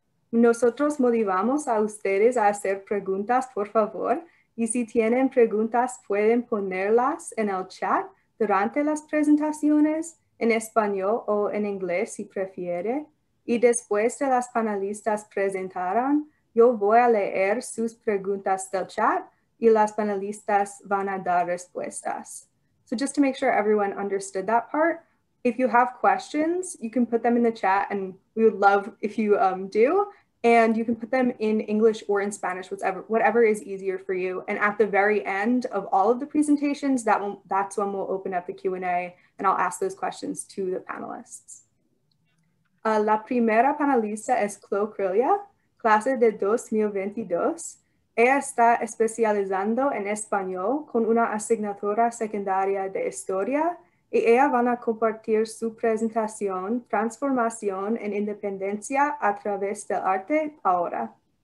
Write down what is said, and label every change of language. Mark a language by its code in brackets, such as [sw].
[es] Nosotros motivamos a ustedes a hacer preguntas, por favor, y si tienen preguntas pueden ponerlas en el chat durante las presentaciones en español o en inglés si prefiere. Y después de las panelistas presentaran, yo voy a leer sus preguntas del chat y las panelistas van a dar respuestas. [en] So just to make sure everyone understood that part, if you have questions, you can put them in the chat and we would love if you do. And you can put them in English or in Spanish, whatever is easier for you. And at the very end of all of the presentations, that's when we'll open up the Q&A and I'll ask those questions to the panelists. [es] La primera panelista es Chloe Crilla, clase de 2022. Ella está especializando en español con una asignatura secundaria de historia. Y ella va a compartir su presentación, Transformación en Independencia a través del arte, ahora.